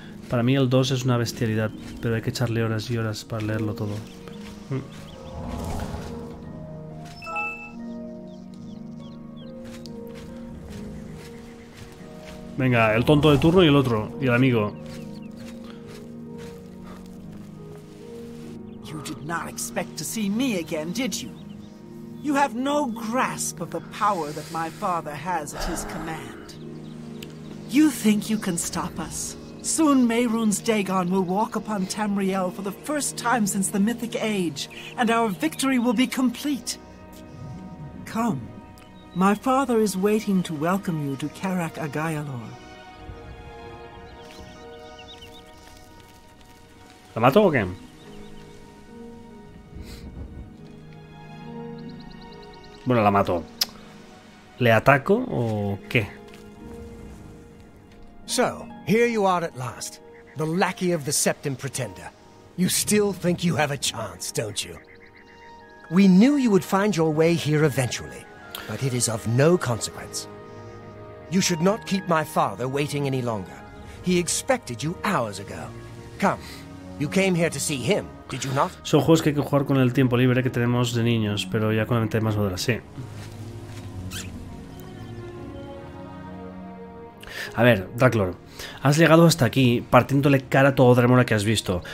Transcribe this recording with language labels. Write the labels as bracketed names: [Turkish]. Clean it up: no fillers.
[Spanish] Para mí el 2 es una bestialidad, pero hay que echarle horas y horas para leerlo todo. Venga, el tonto de turno y el otro, y el amigo. [English] You did not expect to see me again, did you? You have no grasp of the power that my father has at his command. You think you can stop us? Soon Mehrunes Dagon will walk upon Tamriel for the first time since the Mythic Age, and our victory will be complete. Come. My father is waiting to welcome you to Karak Agaialor. [Spanish] ¿La mato o qué? Bueno, la mato. ¿Le ataco o qué? [English] So, here you are at last. The lackey of the Septim Pretender. You still think you have a chance, don't you? We knew you would find your way here eventually, but it is of no consequence. You should not keep my father waiting any longer. He expected you hours ago. Come, you came here to see him. [Spanish] Son juegos que hay que jugar con el tiempo libre que tenemos de niños, pero ya con la mente más madura, sí. A ver, Draclor, has llegado hasta aquí partiéndole cara a todo Dremora que has visto.